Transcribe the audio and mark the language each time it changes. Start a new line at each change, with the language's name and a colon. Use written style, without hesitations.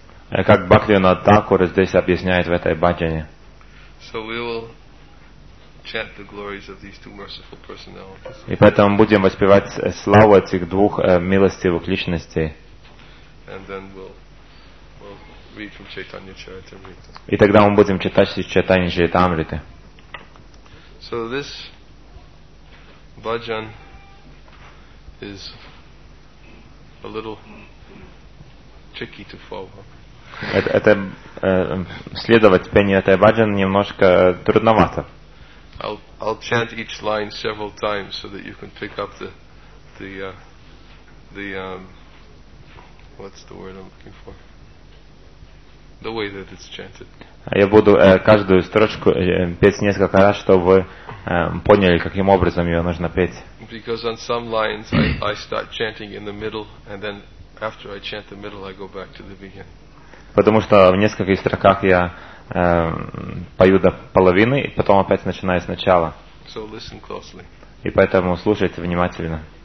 Russian: Как Бхактивинода Тхакура здесь объясняет в этой баджане.
English: Chant the glories of these two merciful personalities.
Russian: И поэтому будем воспевать славу этих двух милостивых личностей.
English: And then we'll read from Chaitanya Charitamrita.
Russian: И тогда мы будем читать из Чайтаньи Чаритамриты.
English: So this bhajan is a little tricky to follow.
Russian: Это следовать пению этой баджаны немножко трудновато.
English: I'll chant each line several times so that you can pick up the way that it's chanted.
Russian: Я буду каждую строчку петь несколько раз, чтобы вы поняли, каким образом ее нужно петь.
English: Because on some lines I start chanting in the middle, and then after I chant the middle, I go back to the beginning.
Russian: Потому что в нескольких строках я пою до половины, и потом опять начинаю сначала.
English: So listen closely.
Russian: И поэтому слушайте внимательно.